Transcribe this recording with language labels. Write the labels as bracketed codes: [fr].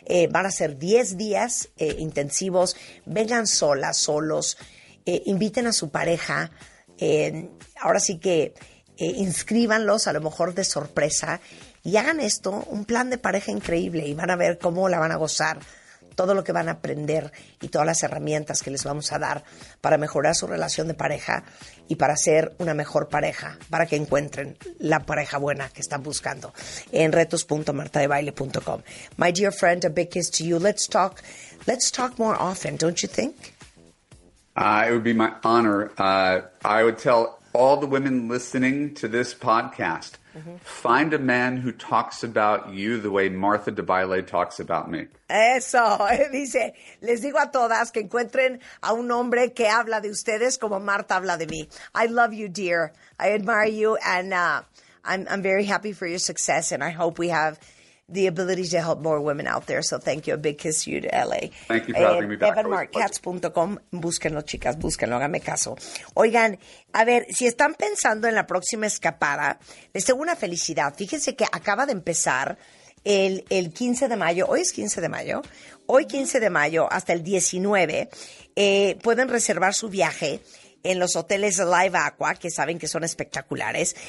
[es] Van a ser 10 días intensivos, vengan solas, solos, inviten a su pareja, ahora sí que inscríbanlos a lo mejor de sorpresa y hagan esto, un plan de pareja increíble, y van a ver cómo la van a gozar. Todo lo que van a aprender y todas las herramientas que les vamos a dar para mejorar su relación de pareja y para ser una mejor pareja, para que encuentren la pareja buena que están buscando en retos.martadebaile.com. [en] My dear friend, a big kiss to you. Let's talk more often, don't you think? It would be my honor. I would tell all the women listening to this podcast, find a man who talks about you the way Martha DeBaile talks about me. [es] Eso, dice, les digo a todas que encuentren a un hombre que habla de ustedes como Martha habla de mí. [en] I love you, dear. I admire you, and I'm very happy for your success, and I hope we have the ability to help more women out there. So thank you. A big kiss to you to LA. Thank you for having me back. [es] EvanMarkKatz.com. Búsquenlo, chicas. Búsquenlo. Háganme caso. Oigan, a ver, si están pensando en la próxima escapada, les tengo una felicidad. Fíjense que acaba de empezar el 15 de mayo. Hoy es 15 de mayo. Hoy 15 de mayo hasta el 19. Pueden reservar su viaje en los hoteles Live Aqua, que saben que son espectaculares.